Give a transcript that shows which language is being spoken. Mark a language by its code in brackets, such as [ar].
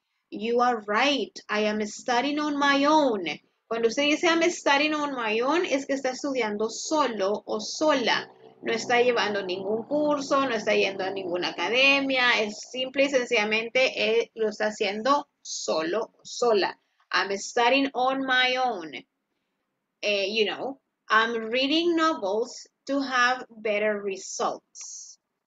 [en] You are right, I am studying on my own. [es] Cuando usted dice [en] I'm studying on my own, [es] es que está estudiando solo o sola. No está llevando ningún curso, no está yendo a ninguna academia, es simple y sencillamente lo está haciendo solo, sola. [en] I'm studying on my own. You know, I'm reading novels to have better results.